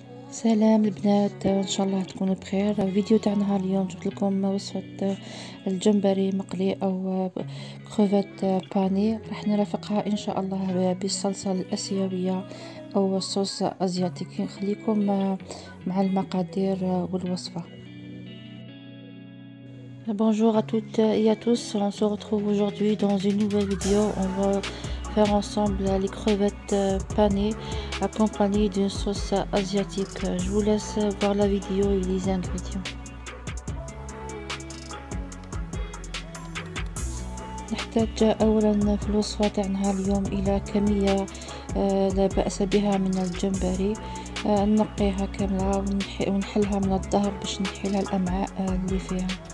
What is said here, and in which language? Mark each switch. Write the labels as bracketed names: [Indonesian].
[Arabic] سلام البنات، ان شاء الله تكونوا بخير. الفيديو تاع نهار اليوم جبت لكم وصفه الجمبري مقلي او كروفيت باني، راح نرافقها ان شاء الله بالصلصه الاسيويه او الصوص ازياتيك. خليكم مع المقادير والوصفه. [French] Bonjour à toutes et à tous, on se retrouve aujourd'hui dans une nouvelle vidéo. On va faire ensemble les crevettes panées accompagnées d'une sauce asiatique. Je vous laisse voir la vidéo et les ingrédients. [Arabic] نحتاج اولا في الوصفه تاعنا اليوم الى كميه لا باس بها من الجمبري، ننقيها كامله ونحلها من الظهر باش نحل الامعاء اللي فيها.